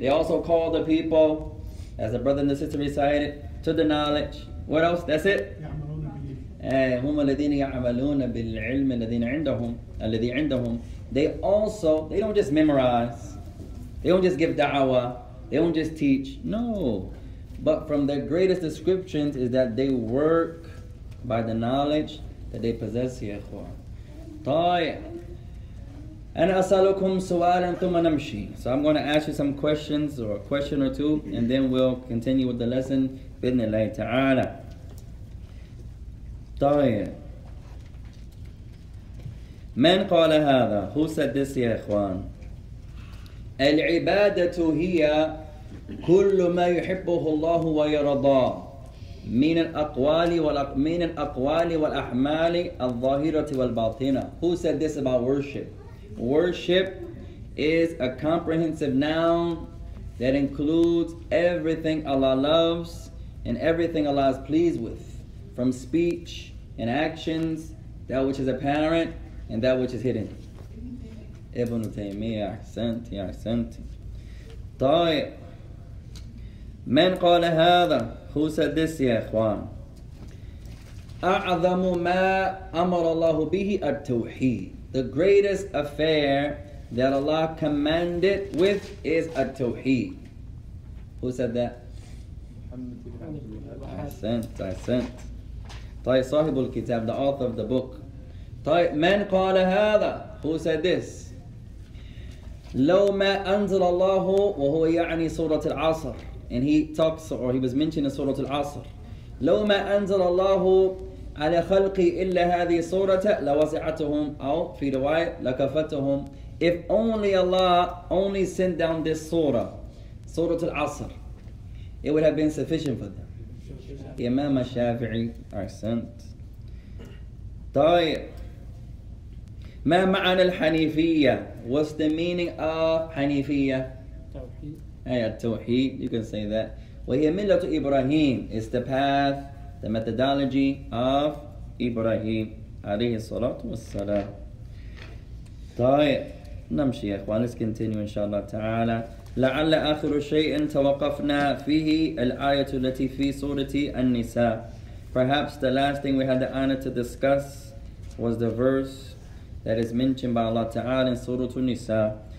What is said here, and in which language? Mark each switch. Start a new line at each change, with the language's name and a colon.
English: They also call the people, as the brother and the sister recited, to the knowledge. What else? That's it?
Arabic: هم الذين يعملون بالعلم الذي عندهم.
English: They also, they don't just memorize. They don't just give da'wah, they don't just teach, no. But from their greatest descriptions is that they work by the knowledge that they possess,
Arabic: يا إخوان. طيب. أنا أسألكم سؤالاً ثم نمشي.
English: So I'm going to ask you some questions or a question or two and then we'll continue with the lesson
Arabic: بإذن الله تعالى. طيب. من قال هذا?
English: Who said this,
Arabic: يا إخوان? العبادة هي كل ما يحبه الله ويرضاه من الأقوال والأعمال الظاهرة والباطنة.
English: Who said this about worship? Worship is a comprehensive noun that includes everything Allah loves and everything Allah is pleased with, from speech and actions, that which is apparent and that which is hidden.
Arabic: ابن تيمية أحسنت يا أحسنت. طيب من قال هذا?
English: Who said this,
Arabic: يا إخوان? أعظم ما أمر الله به التوحيد.
English: The greatest affair that Allah commanded with is التوحيد. Who said that?
Arabic: أحسنت أحسنت. طيب صاحب الكتاب,
English: the author of the book.
Arabic: طيب من قال هذا?
English: Who said this?
Arabic: لو ما أنزل الله وهو يعني سورة العصر.
English: And he talks or he was mentioning سورة العصر.
Arabic: لو ما أنزل الله على خلقي إلا هذه سورة لوزعتهم أو في رواية لكفتهم.
English: If only Allah only sent down this surah, سورة العصر, it would have been sufficient for them.
Arabic: إمام الشافعي أحسنت. طيب ما معنى الحنيفية?
English: What's the meaning of حنيفية?
Arabic: توحيد. أي التوحيد.
English: You can say that.
Arabic: وهي ملة إبراهيم.
English: It's the path, the methodology of إبراهيم عليه الصلاة والسلام. طيب نمشي يا إخوان. Let's continue إن شاء الله تعالى.
Arabic: لعل آخر شيء توقفنا فيه الآية التي في سورة النساء.
English: Perhaps the last thing we had the honor to discuss was the verse that is mentioned by Allah Ta'ala in Surah An-Nisa.